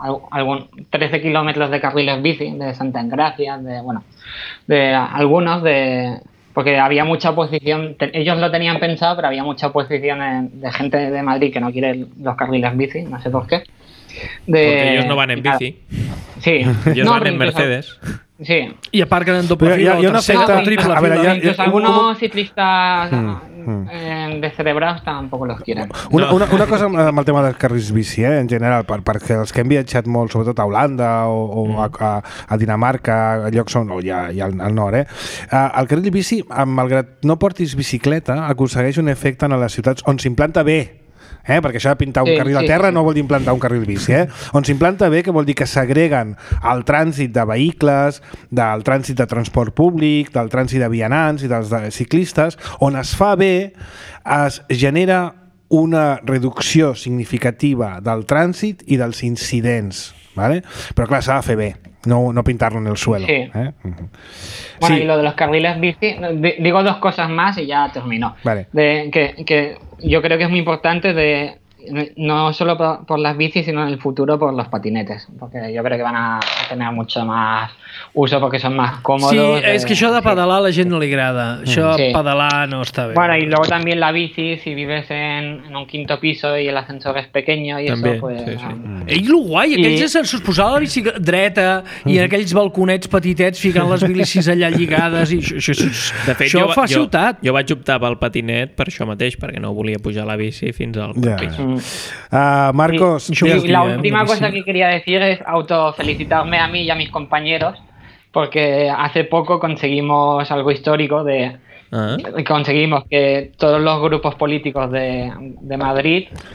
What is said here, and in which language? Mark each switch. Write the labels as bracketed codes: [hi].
[es] algún 13 kilómetros de carriles bici de Santa Engracia, de, bueno, de algunos, de porque había mucha oposición, ellos lo tenían pensado, pero había mucha oposición de gente de Madrid que no quiere los carriles bici, no sé por qué. De, porque ellos no van en bici. Claro. Sí. Ellos no, van en Mercedes. Sí. Y aparcan en doble fila. Yo no sé, triple fila. Incluso algunos ciclistas... descerebrados tampoco los quieren. [ca] Una cosa amb el tema dels carrils bici, en general, perquè els que hem viatjat molt, sobretot a Holanda o a Dinamarca, a llocs on no, hi ha al nord, el carril bici, malgrat no portis bicicleta, aconsegueix un efecte en les ciutats on s'implanta bé, perquè això de pintar un carril a terra no vol dir implantar un carril bici, on s'implanta bé, que vol dir que s'agreguen el trànsit de vehicles, del trànsit de transport públic, del trànsit de vianants i dels de ciclistes, on es fa bé, es genera una reducció significativa del trànsit i dels incidents, ¿vale? Però clar, s'ha de fer bé, no pintar-lo [es] en el suelo. [ca] Sí. [es] Bueno, sí. Y lo de los carriles bici, digo dos cosas más y ya termino. Vale. De que yo creo que es muy importante, de no solo por las bicis, sino en el futuro por los patinetes, porque yo creo que van a tener mucho más uso porque son más cómodos. [ca] Sí, es que això de pedalar a la gent no li agrada. Això de pedalar no està bé. [es] Bueno, y luego también la bici, si vives en un quinto piso y el ascensor es pequeño y [ca] també, [es] eso, pues... [ca] Ei, lo guai, aquells ascensors, posar la bici dreta i aquells balconets petitets ficant les bicis allà lligades i això fa ciutat. Jo vaig optar pel patinet per això mateix, perquè no volia pujar la bici fins al pis. [es] Marcos, sí, la última cosa que quería decir es autofelicitarme a mí y a mis compañeros, porque hace poco conseguimos algo histórico de conseguimos que todos los grupos políticos de Madrid